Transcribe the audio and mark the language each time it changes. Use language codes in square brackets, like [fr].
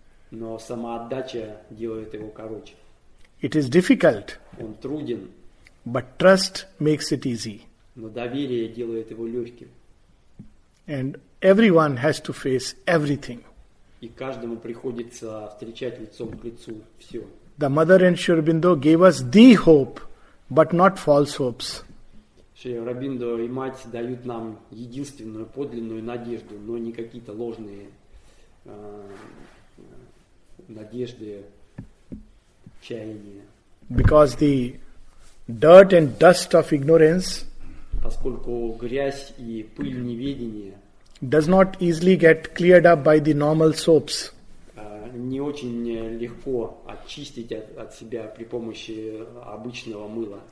[ru] Но самоотдача делает его короче. [en] It is difficult. [ru] Он труден. [en] But trust makes it easy. [ru] Но доверие делает его легким. [en] And everyone has to face everything. [ru] И каждому приходится встречать лицом к лицу все. [en] The mother in Sri Aurobindo gave us the hope, but not false hopes. [ru] Sri Aurobindo и мать дают нам единственную подлинную надежду, но не какие-то ложные надежды, чаяния. [en] Because the dirt and dust of ignorance, [ru] поскольку грязь и пыль неведения, [en] does not easily get cleared up by the normal soaps. [ru] Не очень легко очистить от себя при помощи обычного мыла.